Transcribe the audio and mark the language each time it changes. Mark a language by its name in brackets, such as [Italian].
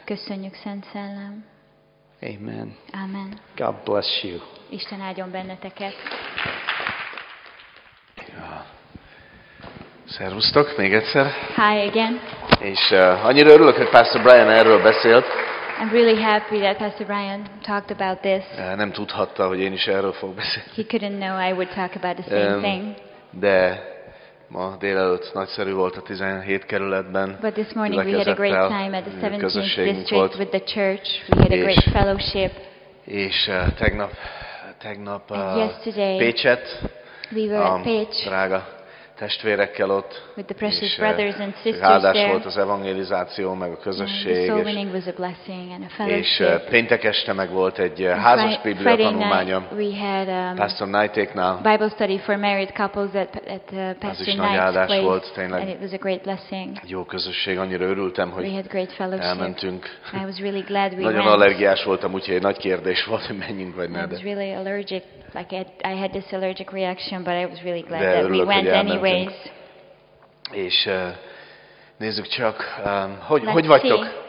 [Hungarian] Köszönjük Szent Szellem. Amen. Amen. [English] God bless you. [Hungarian] Isten áldjon benneteket. Szervusztok, még egyszer. [English] Hi again. [Hungarian] És annyira örülök, hogy Pastor Brian erről beszélt. [English] I'm really happy that Pastor Brian talked about this. [Hungarian] Nem tudhatta, hogy én is erről fog beszélni. [English] He couldn't know I would talk about the same thing. [Hungarian] De ma délelőtt nagyszerű volt a 17 kerületben. [English] But this morning we had a great time at the 17th district with the church. We had a great fellowship. [Hungarian] És tegnap Pécset. [English] We were at Pécs. [Hungarian] Drága testvérekkel ott, [English] with the precious brothers and sisters there. [Hungarian] Áldás volt az evangelizáció, meg a közösség, és péntek este meg volt egy házas biblia tanulmánya Pastor Knightéknál. [English] Bible study for married couples at Pastor Knight's place. [Hungarian] Az is nagy áldás volt, tényleg. [English] And it was a great blessing. [Hungarian] Jó közösség, annyira örültem, hogy elmentünk. [English] I was really glad we went. [Hungarian] Nagyon allergiás voltam, úgyhogy nagy kérdés volt, hogy menjünk vagy ne. [English] I was really allergic. Like I had this allergic reaction, but I was really glad that we went anyways. [Hungarian] És nézzük csak, hogy vagytok?